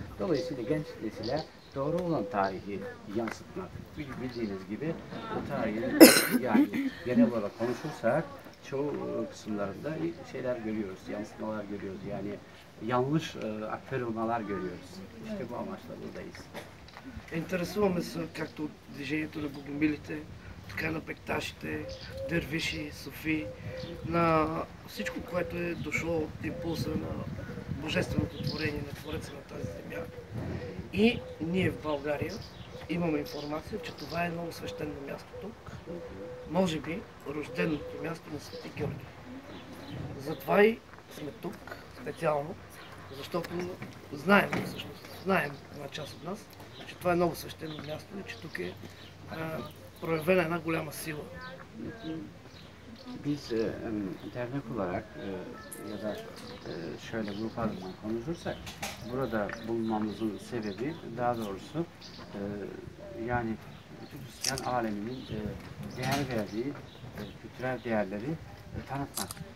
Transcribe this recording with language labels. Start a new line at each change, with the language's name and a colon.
Turkish: Dolayısıyla genç nesile doğru olan tarihi yansıtmak. Bildiğiniz gibi bu tarihin yani genel olarak konuşursak çoğu kısımlarında şeyler görüyoruz, yansıtmalar görüyoruz. Yani yanlış aktarılmalar görüyoruz. İşte bu amaçla buradayız.
Serbian: Interesujemo se
Bulgarian: както от движението на богомилите, така на пекташите, дервиши, суфи, на всичко, което е дошло от импулса на божественото творение, на Твореца на тази земя. И ние в България имаме информация, че това е едно свещено място тук, може би рожденото място на Свети Георги. Затова и сме тук специално, защото знаем всъщност, знаем една част от нас, че това е много свещено място и че тук е проявена една голяма сила.
Turkish: Biz dernek olarak ya da şöyle grup adına konuşursak burada bulunmamızın sebebi daha doğrusu yani Hristiyan aleminin değer verdiği kültürel değerleri tanıtmak.